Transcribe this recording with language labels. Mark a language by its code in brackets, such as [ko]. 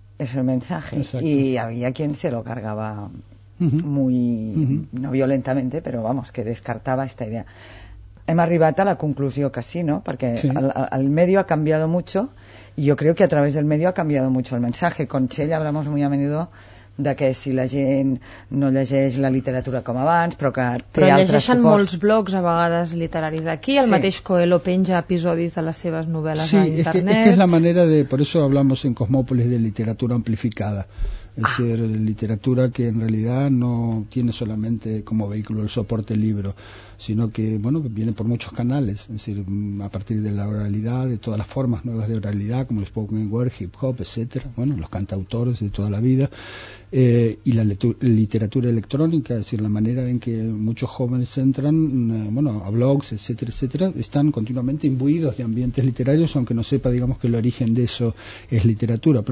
[es] es el mensaje. Exacto. Y había quien se lo cargaba muy, no violentamente, pero vamos, que descartaba esta idea. [ca] Hem arribat a la conclusió que sí, [es] ¿no? Porque sí. El medio ha cambiado mucho y yo creo que a través del medio ha cambiado mucho el mensaje. Con Txell hablamos muy a menudo de que si [ca] la gent no llegeix la literatura com abans, però que té altres suports. Però llegeixen molts blogs, a vegades, literaris aquí. El mateix Coelho penja episodis de les seves novel·les a internet. Sí, és que és la manera de... [es] Por eso hablamos en Cosmópolis de literatura amplificada. Es decir, literatura que en realidad no tiene solamente como vehículo el soporte libro, sino que, bueno, viene por muchos canales, es decir, a partir de la oralidad, de todas las formas nuevas de oralidad, como el spoken word, hip hop, etcétera, bueno, los cantautores de toda la vida, y la literatura electrónica, es decir, la manera en que muchos jóvenes entran, a blogs, etcétera, etcétera, están continuamente imbuidos de ambientes literarios, aunque no sepa, digamos, que el origen de eso es literatura.